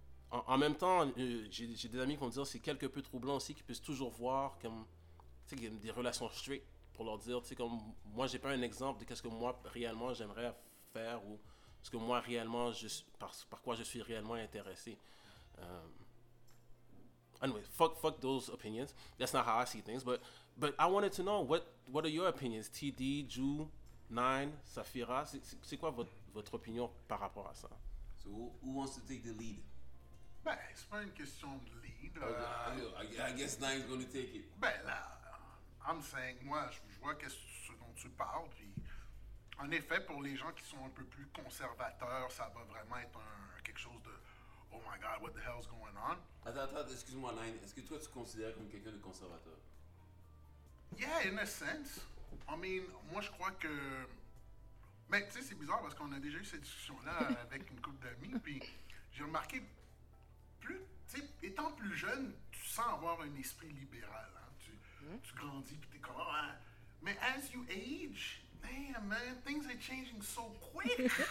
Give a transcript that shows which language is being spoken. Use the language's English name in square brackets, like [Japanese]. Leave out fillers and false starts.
[French] En même temps, j'ai des amis qui vont me dire que c'est quelque peu troublant aussi qu'ils puissent toujours voir comme, tu sais, des relations straight pour leur dire, tu sais, comme moi, j'ai pas un exemple de qu'est-ce que moi, réellement, j'aimerais faire ou ce que moi, réellement, par quoi je suis réellement intéressé. [English] Anyway, fuck those opinions. That's not how I see things. But I wanted to know what are your opinions? TD, Ju, Nine, Safira. [French] C'est quoi votre opinion par rapport à ça? [English] So who wants to take the lead? [French] Ben, c'est pas une question de lead. [English] I guess Nine's going to take it. [French] Ben, [English] I'm saying, [French] moi, je vois ce dont tu parles. Puis, en effet, pour les gens qui sont un peu plus conservateurs, ça va vraiment être quelque chose de [English] oh my God, what the hell's going on? [French] Attends, excuse-moi, Nine. Est-ce que toi, tu te considères comme quelqu'un de conservateur? [English] Yeah, in a sense. I mean, [French] moi, je crois que... Mais tu sais, c'est bizarre parce qu'on a déjà eu cette discussion-là avec une couple d'amis. Puis j'ai remarqué, étant plus jeune, tu sens avoir un esprit libéral. Hein? Tu grandis, puis t'es comme... Oh, hein? Mais [English] as you age, man, things are changing so quick.